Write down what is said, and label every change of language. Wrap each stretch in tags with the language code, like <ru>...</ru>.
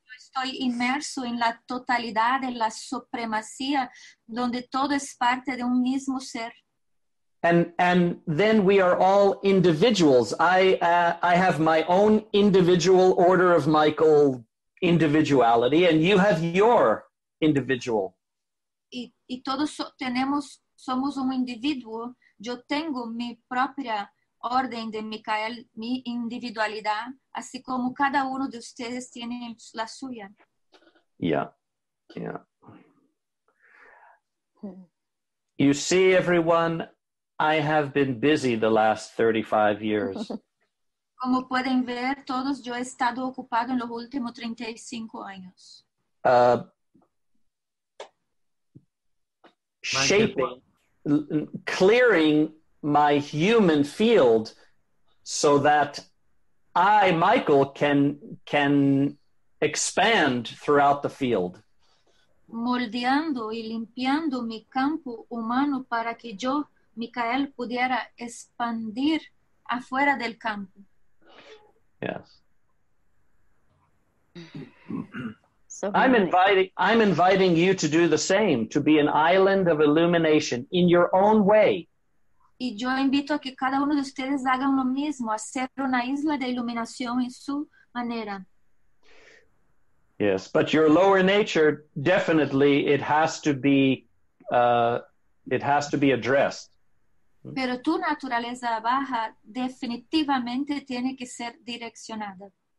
<es>Estoy inmerso en la totalidad de la supremacía, donde todo es parte de un mismo ser.</es> <en>And then we are all individuals. I have my own individual order of Michael individuality, and you have your individual.</en> <es>Y todos somos un individuo. Yo tengo mi propia orden de Michael, mi individualidad, así como cada uno de ustedes tiene la suya.</es> <en>Yeah. You see, everyone, I have been busy the last 35 years.</en> <es>Como pueden ver todos, yo he estado ocupado en los últimos 35 años.</es> <en>Shaping, clearing my human field so that I, Michael, can expand throughout the field.</en> <es>Moldeando y limpiando mi campo humano para que yo, Michael, pudiera expandir afuera del campo.</es> <en>Yes. I'm inviting you to do the same, to be an island of illumination in your own way.</en> <es>Y yo invito a que cada uno de ustedes hagan lo mismo, hacer una isla de iluminación en su manera.</es> <en>Yes, but your lower nature, definitely, it has to be addressed.</en> <es>Pero tu naturaleza baja definitivamente tiene que ser direccionada.</es>